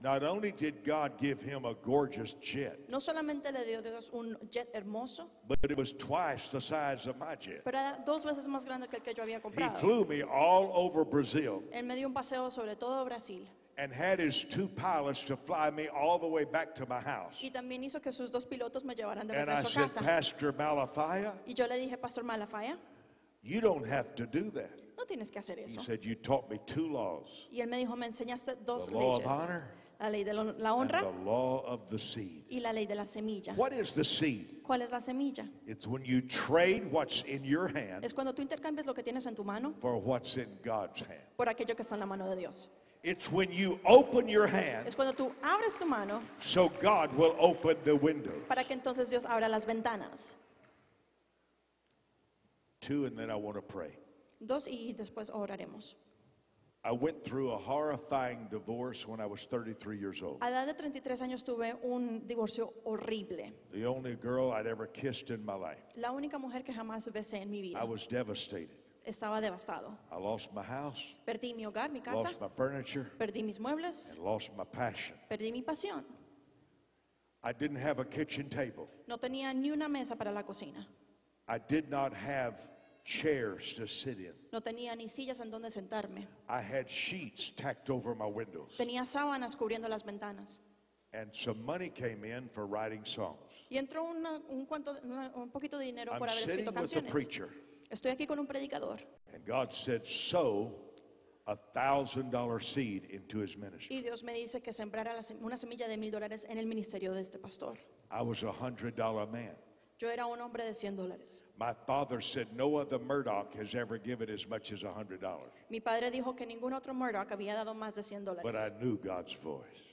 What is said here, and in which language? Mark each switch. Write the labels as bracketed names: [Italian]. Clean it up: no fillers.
[English] Not only did God give him a gorgeous jet, [Spanish] no solamente le dio Dios un jet hermoso, [English] but it was twice the size of my jet. [Spanish] Pero era dos veces más grande que el que yo había comprado. [English] He flew me all over Brazil. [Spanish] Él me dio un paseo sobre todo Brasil. [English] And had his two pilots to fly me all the way back to my house. [Spanish] Y también hizo que sus dos pilotos me llevaran de regreso a casa. [English] And I said, Pastor Malafaya, [Spanish] y yo le dije, Pastor Malafaya, [English] you don't have to do that. [Spanish] No tienes que hacer eso. [English] He said, you taught me two laws. [Spanish] Y él me dijo, me enseñaste dos leyes. [English] The law of honor, [Spanish] la ley de la honra, [English] and the law of the seed. [Spanish] Y la ley de la semilla. [English] What is the seed? [Spanish] ¿Cuál es la semilla? [English] It's when you trade what's in your hand. [Spanish] Es cuando tú intercambias lo que tienes en tu mano. [English] For what's in God's hand. [Spanish] Por aquello que está en la mano de Dios. [English] It's when you open your hand. [Spanish] Es cuando tú abres tu mano. [English] So God will open the window. [Spanish] Para que entonces Dios abra las ventanas. [English] Two, and then I want to pray. [Spanish] Dos y después oraremos. [English] I went through a horrifying divorce when I was 33 years old. [Spanish] A la edad de 33 años tuve un divorcio horrible. [English] The only girl I'd ever kissed in my life. [Spanish] La única mujer que jamás besé en mi vida. [English] I was devastated. [Spanish] Estaba devastado. [English] I lost my house. [Spanish] Perdí mi hogar, mi casa. [English] Lost my furniture. [Spanish] Perdí mis muebles. [English] And lost my passion. [Spanish] Perdí mi pasión. [English] I didn't have a kitchen table. [Spanish] No tenía ni una mesa para la cocina. [English] I did not have chairs to sit in. [Spanish] No tenía ni sillas en donde sentarme. [English] I had sheets tacked over my windows. [Spanish] Tenía sábanas cubriendo las ventanas. [English] And some money came in for writing songs. [Spanish] Y entró un poquito de dinero por haber escrito canciones. [English] I'm sitting with a preacher. [Spanish] Estoy aquí con un predicador. [English] And God said, sow $1,000 seed into his ministry. [Spanish] Y Dios me dice que sembrara una semilla de $1,000 en el ministerio de este pastor. [English] I was a $100 man. [Spanish] Yo era un hombre de $100. [English] My father said no other Murdock has ever given as much as $100. [Spanish] Mi padre dijo que ningún otro Murdock había dado más de $100. [English] But I knew God's voice.